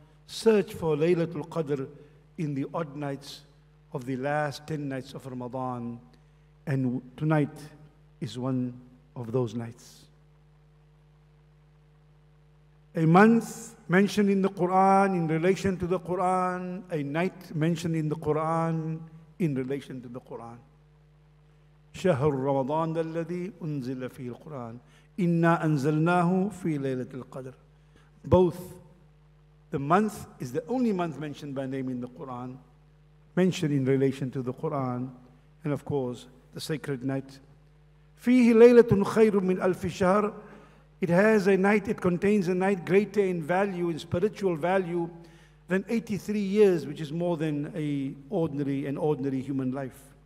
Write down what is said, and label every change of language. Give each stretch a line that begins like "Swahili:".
English: Search for ليلة القدر in the odd nights of the last 10 nights of Ramadan. And tonight is one of those nights. A month mentioned in the Quran in relation to the Quran. A night mentioned in the Quran in relation to the Quran.
Arabic: شهر رمضان الذي أنزل فيه القرآن إنا أنزلناه في ليلة القدر.
English: Both the month is the only month mentioned by name in the Quran, mentioned in relation to the Quran, and of course the sacred night.
Arabic: فيه ليلة خير من ألف شهر.
English: It has a night. It contains a night greater in value, in spiritual value, than 83 years, which is more than an ordinary human life.